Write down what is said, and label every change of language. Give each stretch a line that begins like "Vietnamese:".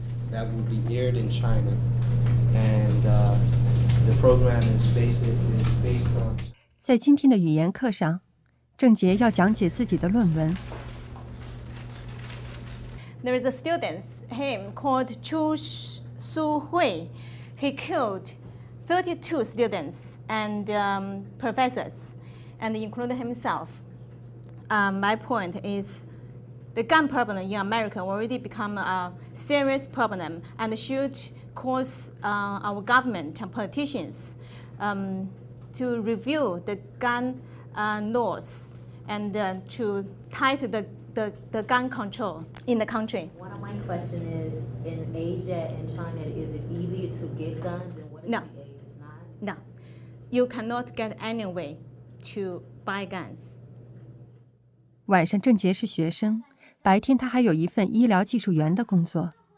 English: That will be aired in China, and the program is based on.
Chinese: 在今天的语言课上，郑杰要讲解自己的论文。
English: There is a student, him called Chu Su Hui. He killed 32 students and professors, and including himself. My point is, the gun problem in America already become a serious problem and should cause our government and politicians to review the gun laws and to tighten the gun control in the country. One of my questions is, in Asia and China, is it easier to get guns, and what if No, the age is not? no. You cannot get any way to buy guns.
Chinese: 晚上，郑杰是学生，白天他还有一份医疗技术员的工作。